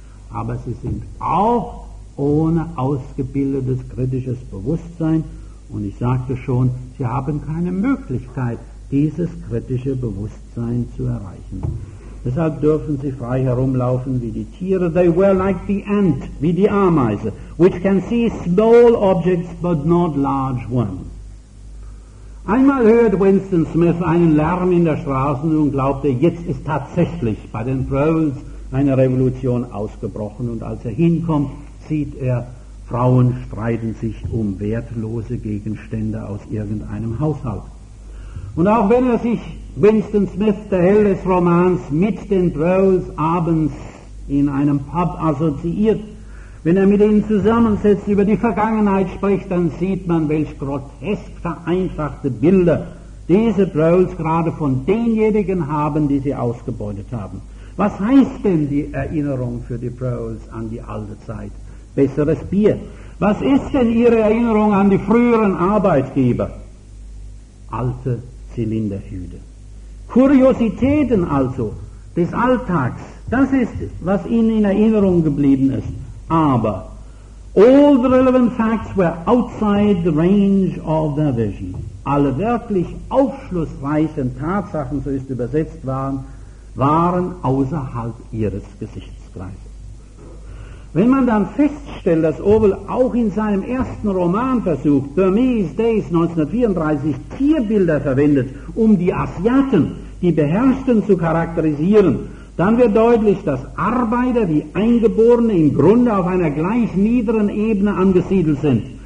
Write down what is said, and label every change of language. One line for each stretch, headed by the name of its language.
German: Aber sie sind auch ohne ausgebildetes kritisches Bewusstsein und ich sagte schon, sie haben keine Möglichkeit, dieses kritische Bewusstsein zu erreichen. Deshalb dürfen sie frei herumlaufen wie die Tiere.
English: They were like the ant,
German: wie die Ameise,
English: which can see small objects but not large ones.
German: Einmal hört Winston Smith einen Lärm in der Straße und glaubte, jetzt ist tatsächlich bei den Brawls eine Revolution ausgebrochen. Und als er hinkommt, sieht er, Frauen streiten sich um wertlose Gegenstände aus irgendeinem Haushalt. Und auch wenn er sich, Winston Smith, der Held des Romans, mit den Brawls abends in einem Pub assoziiert, wenn er mit ihnen zusammensetzt, über die Vergangenheit spricht, dann sieht man, welch grotesk vereinfachte Bilder diese Brawls gerade von denjenigen haben, die sie ausgebeutet haben. Was heißt denn die Erinnerung für die Brawls an die alte Zeit? Besseres Bier. Was ist denn ihre Erinnerung an die früheren Arbeitgeber? Alte Zylinderhüte. Kuriositäten also des Alltags, das ist es, was ihnen in Erinnerung geblieben ist.
English: Aber all the relevant facts were outside the range of their vision.
German: Alle wirklich aufschlussreichen Tatsachen, so ist übersetzt, waren außerhalb ihres Gesichtskreises. Wenn man dann feststellt, dass Orwell auch in seinem ersten Roman versucht, Burmese Days 1934, Tierbilder verwendet, um die Asiaten, die Beherrschten, zu charakterisieren, dann wird deutlich, dass Arbeiter wie Eingeborene im Grunde auf einer gleich niederen Ebene angesiedelt sind.